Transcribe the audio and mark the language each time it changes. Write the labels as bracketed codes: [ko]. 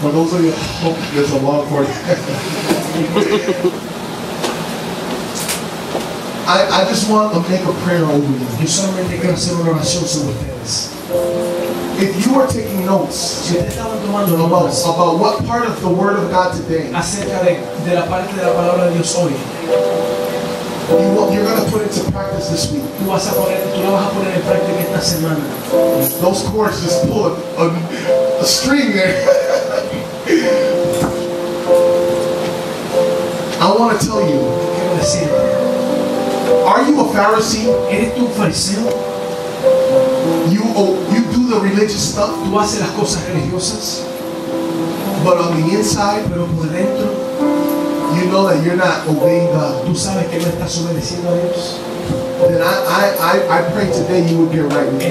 [en] For those of you, hope there's a long 40. I just want to make a prayer over you. [es] Yo solamente quiero hacer una oración sobre ustedes. [en] If you are taking notes, [es] si ustedes estaban tomando notas, [en] about what part of the Word of God today, [es] acerca de la parte de la palabra de Dios hoy, [en] you're going to put it to practice this week. [es] Tú lo vas a poner en práctica esta semana. [en] Those cords just pull a string there. I want to tell you. [es] Quiero decir. [en] Are you a Pharisee? [es] ¿Eres tú un fariseo? [en] You do the religious stuff. [es] ¿Tú haces las cosas religiosas? [en] But on the inside, [es] pero por dentro, [en] you know that you're not obeying God. [es] ¿Tú sabes que no estás obedeciendo a Dios? [en] Then I pray today you would get right with God.